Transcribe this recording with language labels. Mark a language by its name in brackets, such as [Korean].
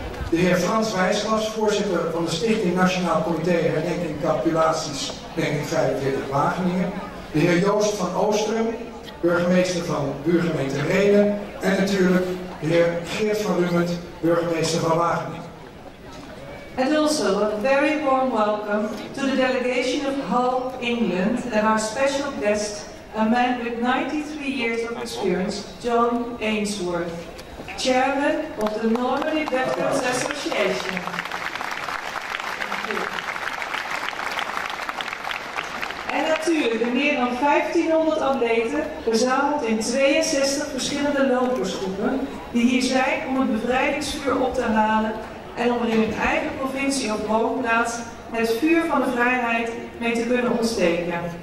[Dutch] de heer Frans Wijslas, voorzitter van de Stichting Nationaal Comité Herdenking Capitulaties, Denking 45 Wageningen, de heer Joost van Oostrum, burgemeester van buurgemeente Rhenen en natuurlijk de heer Geert van Rummet, burgemeester van Wageningen. [English] And also a very warm welcome to the delegation of Hull, England, and our special guest, a man with 93 years of experience, John Ainsworth, chairman of the Normandy Veterans Association. [Dutch] En natuurlijk de meer dan 1500 atleten verzameld in 62 verschillende lopersgroepen die hier zijn om het bevrijdingsvuur op te halen en om er in hun eigen provincie of woonplaats het vuur van de vrijheid mee te kunnen ontsteken.